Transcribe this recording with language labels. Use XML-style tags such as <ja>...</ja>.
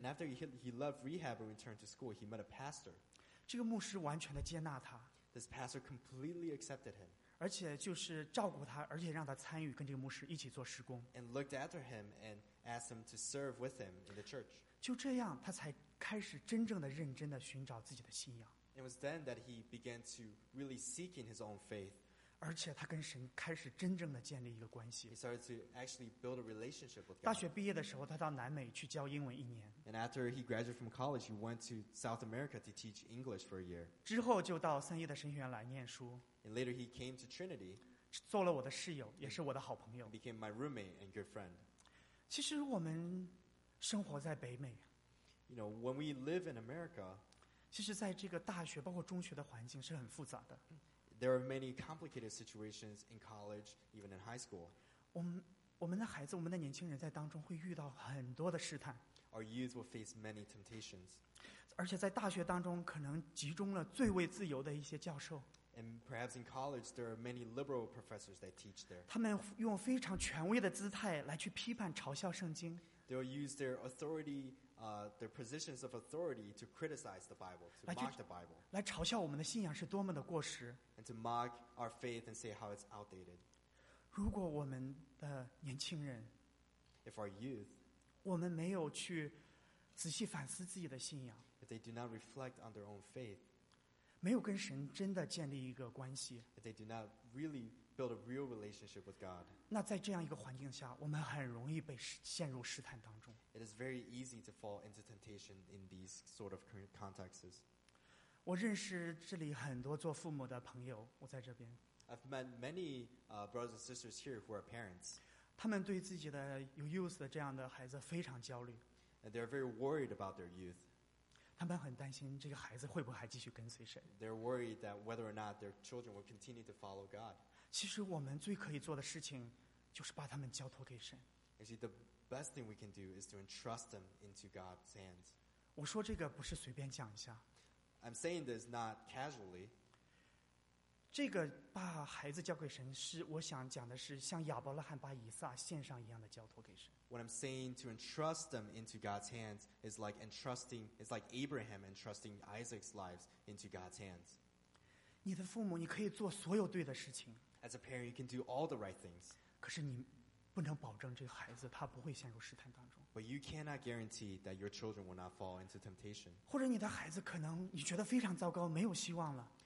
<en>And after he left rehab and returned to school, he met a pastor.</en> <zh>这个牧师完全的接纳他。</zh> <en>This pastor completely accepted him.</en> <zh>而且就是照顾他，而且让他参与跟这个牧师一起做事工。</zh> <en>And looked after him and asked him to serve with him in the church.</en> <zh>就这样，他才开始真正的认真的寻找自己的信仰。</zh> <en>It was then that he began to really seek in his own faith.</en> <zh>而且他跟神开始真正的建立一个关系。</zh> <en>He started to actually build a relationship with God.</en> <zh>大学毕业的时候，他到南美去教英文一年。</zh> <en>And after he graduated from college, he went to South America to teach English for a year.</en> <zh>之后就到三一的神学院来念书。</zh> <en>And later he came to Trinity.</en> <zh>做了我的室友，也是我的好朋友。</zh> <en>He became my roommate and good friend.</en> <zh>其实我们生活在北美。</zh> <en>You know, when we live in America,</en> <zh>其实在这个大学包括中学的环境是很复杂的。</zh> <en>There are many complicated situations in college, even in high school.</en> <zh>我们的孩子，我们的年轻人在当中会遇到很多的试探。</zh> <en>Our youth will face many temptations.</en> <zh>而且在大学当中可能集中了最为自由的一些教授。</zh> <en>And perhaps in college, there are many liberal professors that teach there.</en> <zh>他们用非常权威的姿态来去批判嘲笑圣经。</zh> <en>They'll use their authority, their positions of authority to criticize the Bible, to mock the Bible.</en> <zh>来嘲笑我们的信仰是多么的过时。</zh> <en>And to mock our faith and say how it's outdated.</en> <zh>如果我们的年轻人，</zh> <en>if our youth,</en> <zh>我们没有去仔细反思自己的信仰，</zh> <en>if they do not reflect on their own faith,</en> <zh>没有跟神真的建立一个关系，</zh> <en>if they do not really build a real relationship with God.</en> <zh>那在这样一个环境下，我们很容易被陷入试探当中。</zh> <en>It is very easy to fall into temptation in these sort of contexts.</en> <zh>我认识这里很多做父母的朋友，我在这边。</zh> <en>I've met many brothers and sisters here who are parents.</en> <zh>他们对自己的有 youth 的这样的孩子非常焦虑。</zh> <en>And they're very worried about their youth.</en> <zh>他们很担心这个孩子会不会还继续跟随神。</zh> <en>They're worried that whether or not their children will continue to follow God.</en> <zh>其实我们最可以做的事情就是把他们交托给神。</zh> <en>Actually, the best thing we can do is to entrust them into God's hands.</en> <zh>我说这个不是随便讲一下。</zh> <en>I'm saying this not casually.</en> <zh>这个把孩子交给神是我想讲的是像亚伯拉罕把以撒献上一样的交托给神。</zh> <en>What I'm saying to entrust them into God's hands is like entrusting, it's like Abraham entrusting Isaac's lives into God's hands.</en> <zh>你的父母你可以做所有对的事情。</zh> <en>As a parent, you can do all the right things.</en> <zh>可是你不能保证这个孩子他不会陷入试探当中。</zh> <en>But you cannot guarantee that your children will not fall into temptation.</en> <zh>或者你的孩子可能你觉得非常糟糕，没有希望了。</zh>